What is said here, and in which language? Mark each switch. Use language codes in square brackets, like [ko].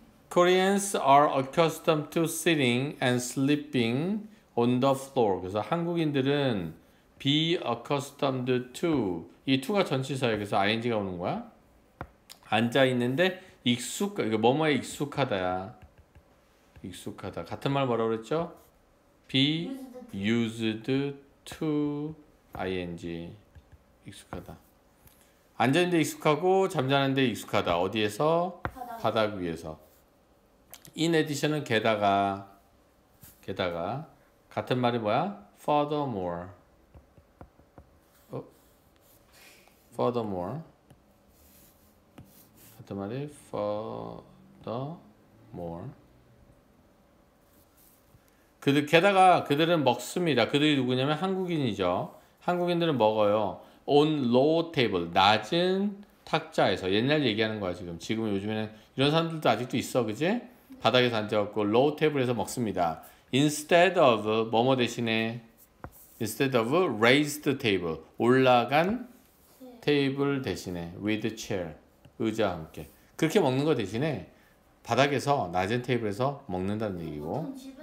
[en] Koreans are accustomed to sitting and sleeping on the floor. [ko] 그래서 한국인들은 [en] be accustomed to. [ko] 이 to가 전치사예요. 그래서 ing가 오는 거야. 앉아 있는데 익숙하다. 이거 뭐뭐에 익숙하다야. 익숙하다. 같은 말 뭐라고 그랬죠? [en] Be used to ing. [ko] 익숙하다. 앉아 있는데 익숙하고 잠자는데 익숙하다. 어디에서? 바닥 위에서. [en] In addition [ko] 은 게다가 같은 말이 뭐야? [en] Furthermore. Furthermore. [ko] 같은 말이 [en] furthermore. [ko] 그들 게다가 그들은 먹습니다. 그들이 누구냐면 한국인이죠. 한국인들은 먹어요. [en] On low table, [ko] 낮은 탁자에서. 옛날 얘기하는 거야 지금. 지금은 요즘에는 이런 사람들도 아직도 있어, 그지? 바닥에서 앉아갖고 [en] low table [ko] 에서 먹습니다. [en] Instead of [ko] 뭐뭐 대신에 [en] instead of raised table, [ko] 올라간 테이블 대신에 [en] with chair, [ko] 의자와 함께 그렇게 먹는 거 대신에 바닥에서 낮은 테이블에서 먹는다는 얘기고.